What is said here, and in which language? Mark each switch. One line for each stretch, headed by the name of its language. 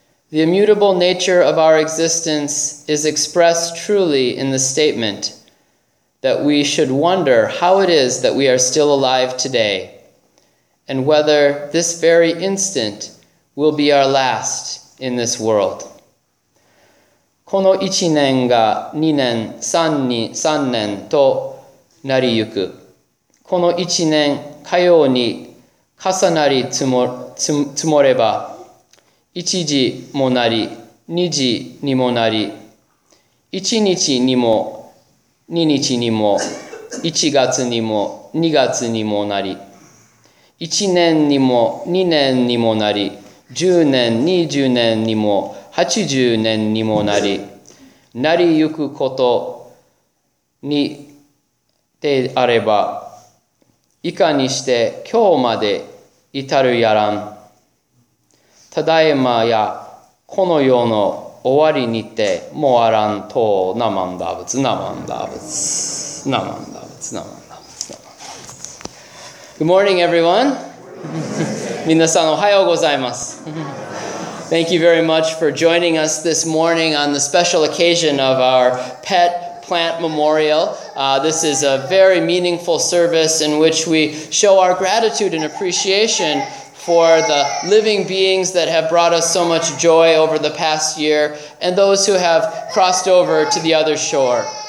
English: The immutable nature of our existence is expressed truly in the statement that we should wonder how it is that we are still alive today, and whether this very instant will be our last in this world.
Japanese: この一年が二年、三年となりゆく。この一年かように重なり積もれば、一時もなり、二時にもなり、一日にも2日にも1月にも2月にもなり、 1年にも2年にもなり、10年20年にも80年にもなり、なりゆくことにであれば、いかにして今日まで至るやらん。ただいまやこの世の終わりにてもあらんとなまんだぶつなまんだぶつなまんだぶつなまんだぶつ。
English: Good morning, everyone.
Japanese: みなさんおはようございます。
English: Thank you very much for joining us this morning on the special occasion of our pet plant memorial. This is a very meaningful service in which we show our gratitude and appreciation for the living beings that have brought us so much joy over the past year, and those who have crossed over to the other shore.